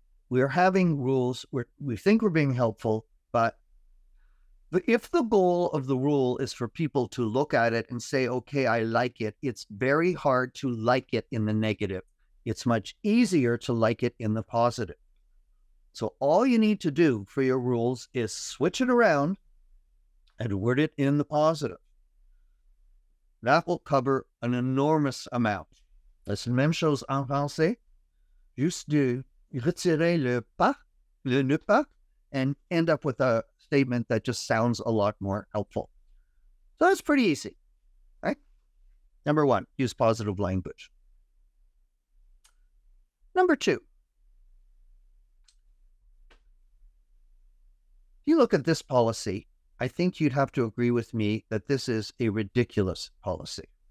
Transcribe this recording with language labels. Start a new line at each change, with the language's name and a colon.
English: We're having rules where we think we're being helpful, but if the goal of the rule is for people to look at it and say, okay, I like it, it's very hard to like it in the negative. It's much easier to like it in the positive. So all you need to do for your rules is switch it around and word it in the positive. That will cover an enormous amount.
French: Les mêmes choses en français. Juste de retirer le ne pas,
English: and end up with a statement that just sounds a lot more helpful. So that's pretty easy, right? Number one, use positive language. Number two, if you look at this policy, I think you'd have to agree with me that this is a ridiculous policy.